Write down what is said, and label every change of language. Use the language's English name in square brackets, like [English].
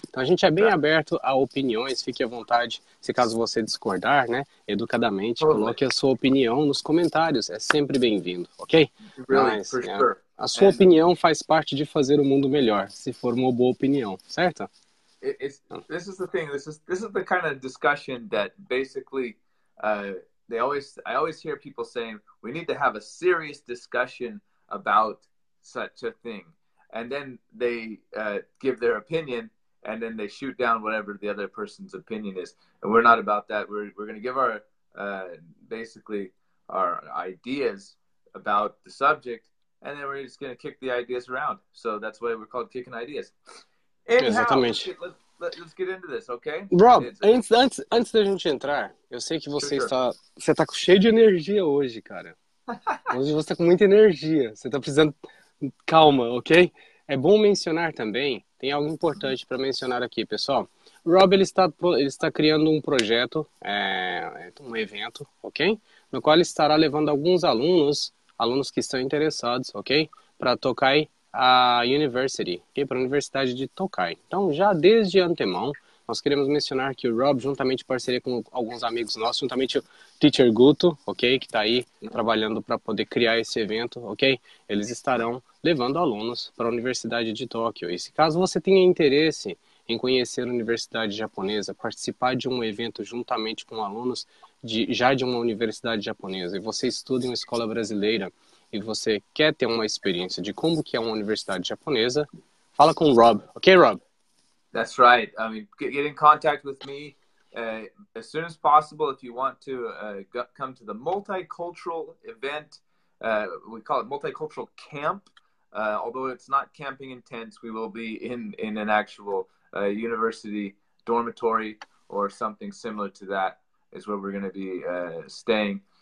[Portuguese] Então, a gente é bem aberto a opiniões, fique à vontade, se caso você discordar, né, educadamente, coloque a sua opinião nos comentários, é sempre bem-vindo, ok? [English] Really, mas, for sure. [Portuguese] A sua opinião faz parte de fazer o mundo melhor, se for uma boa opinião, certo? [English] This is the thing, this is the kind of discussion that basically... I always hear people saying we need to have a serious discussion about such a thing, and then they give their opinion, and then they shoot down whatever the other person's opinion is. And we're not about that. We're going to give our basically our ideas about the subject, and then we're just going to kick the ideas around. So that's why we're called Kicking Ideas. Anyhow, exactly. let's get into this, okay? [Portuguese] Rob, antes da gente entrar, eu sei que você tá cheio de energia hoje, cara. Hoje você tá com muita energia, você tá precisando calma, ok? É bom mencionar também, tem algo importante para mencionar aqui, pessoal. Rob, ele está criando um projeto, um evento, ok? No qual ele estará levando alguns alunos que estão interessados, ok? Para Tokai University, okay? Para a Universidade de Tokai. Então, já desde antemão, nós queremos mencionar que o Rob, juntamente em parceria com alguns amigos nossos, juntamente o Teacher Guto, ok? Que está aí trabalhando para poder criar esse evento, ok? Eles estarão levando alunos para a Universidade de Tóquio. E se caso você tenha interesse em conhecer a universidade japonesa, participar de um evento juntamente com alunos de uma universidade japonesa, e você estuda em uma escola brasileira e você quer ter uma experiência de como que é uma universidade japonesa, fala com o Rob. Ok, Rob? [English] That's right. I mean, get in contact with me as soon as possible if you want to come to the multicultural event. We call it multicultural camp. Although it's not camping in tents, we will be in an actual university dormitory or something similar to that is where we're going to be staying.